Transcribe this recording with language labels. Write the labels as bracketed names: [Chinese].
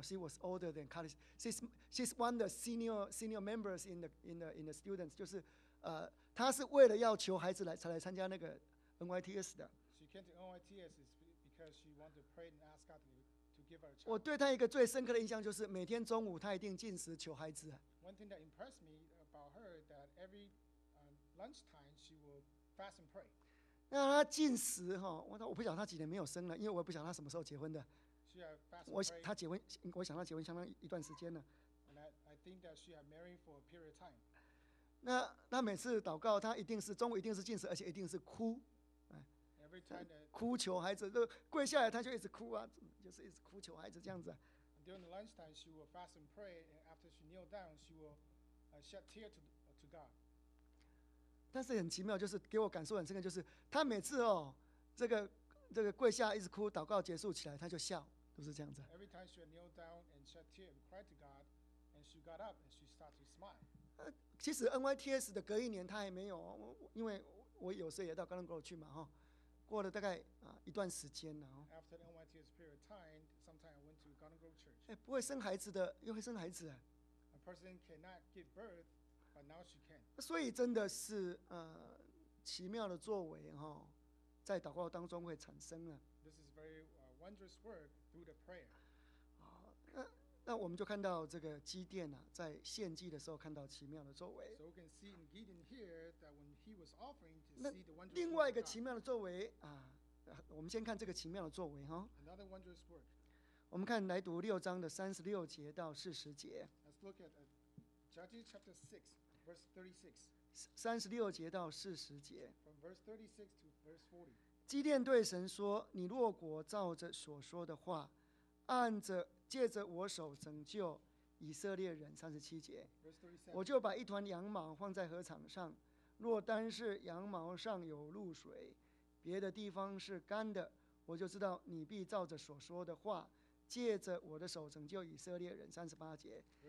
[English] She was older than college. She's one of the senior members in the students. [Chinese] 就是，她是为了要求孩子来才来参加那个 NYTS 的。 [English] She came to NYTS because she wanted to pray and ask God to give her a child. [Chinese] 我对她一个最深刻的印象就是每天中午她一定进食求孩子。 [English] One thing that impressed me about her that every lunchtime she will fast and pray. [Chinese] 那她进食哈，我不晓得她几年没有生了，因为我不晓得她什么时候结婚的。她结婚，我想她结婚相当一段时间了。 [English] And I think that she had married for a period of time. [Chinese] 那每次祷告，她一定是中午一定是进食，而且一定是哭， [English] Every time that, [Chinese] 哭求孩子，就跪下来，她就一直哭啊，就是一直哭求孩子这样子。 [English] During the lunchtime, she will fast and pray, and after she kneel down, she will shed tears to God. [Chinese] 但是很奇妙，就是给我感受很深的，就是她每次哦，这个跪下一直哭，祷告结束起来他就笑，都是这样子。 [English] Every time she kneeled down and shed tears and cried to God, and she got up and she started to smile. [Chinese] 其实 NYTS 的隔一年他还没有，因为我有时候也到 Garden Grove 去嘛，哈，过了大概一段时间了。 [English] After the NYTS period of time, sometime I went to Garden Grove Church. [Chinese] 哎，不会生孩子的又会生孩子。 [English] A person cannot give birth, but now she can. [Chinese] 所以真的是奇妙的作为哈。在祷告当中会产生了。 [English] This is very wondrous work through the prayer. [Chinese] 那我们就看到这个基甸啊，在献祭的时候看到奇妙的作为。 [English] So we can see in Gideon here that when he was offering to see the wondrous work. [Chinese] 那另外一个奇妙的作为啊，我们先看这个奇妙的作为哈。 [English] Another wondrous work. [Chinese] 我们看来读六章的三十六节到四十节。 [English] Let's look at Judges chapter 6, verse 36. [Chinese] 三十六节到四十节。 [English] From verse 36 to verse 40. [Chinese] 基甸对神说：“你若果照着所说的话，按着借着我手拯救以色列人，三十七节， [English] verse 37. [Chinese] 我就把一团羊毛放在禾场上。若单是羊毛上有露水，别的地方是干的，我就知道你必照着所说的话，借着我的手拯救以色列人。” 三十八节。